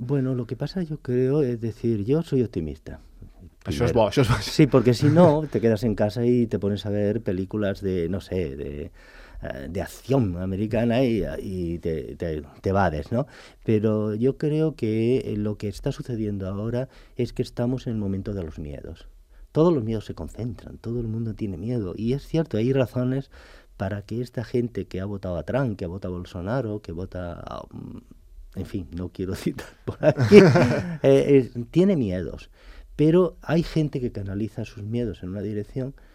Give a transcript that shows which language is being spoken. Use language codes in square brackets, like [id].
[es] Bueno, lo que pasa yo creo es decir, yo soy optimista. [ca] Primero. Això és bo, això és bo. Sí, perquè si no, te quedes en casa i [es] te pones a ver [ca] pel·lícules de, [es] no sé, [ca] de acció americana i te vades, ¿no? [es] Pero yo creo que lo que está sucediendo ahora es que estamos en el momento de los miedos. Todos los miedos se concentran, todo el mundo tiene miedo. Y es cierto, hay razones para que esta gente que ha votado a Trump, que ha votado a Bolsonaro, que vota a... En fin, no quiero citar por aquí. Tiene miedos. Pero hay gente que canaliza sus miedos en una dirección